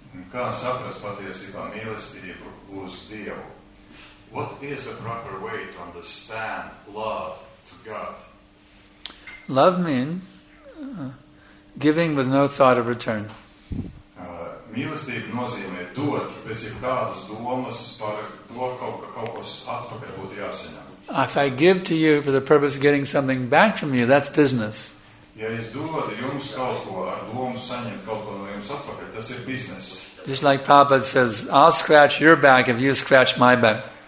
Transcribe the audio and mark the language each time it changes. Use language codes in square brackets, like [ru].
[lv] Kā saprast patiesībā mīlestību uz Dievu? [en] What is the proper way to understand love to God? Love means giving with no thought of return. [lv] Mīlestība nozīmē dot bez jebkādas domas par to, ka kaut kas atpakaļ būtu jāsaņem. [en] If I give to you for the purpose of getting something back from you, that's business. [lv] Ja es dodu jums kaut ko ar domu saņemt kaut ko no jums atpakaļ, tas ir business. [en] Just like Prabhupada says, I'll scratch your back if you scratch my back.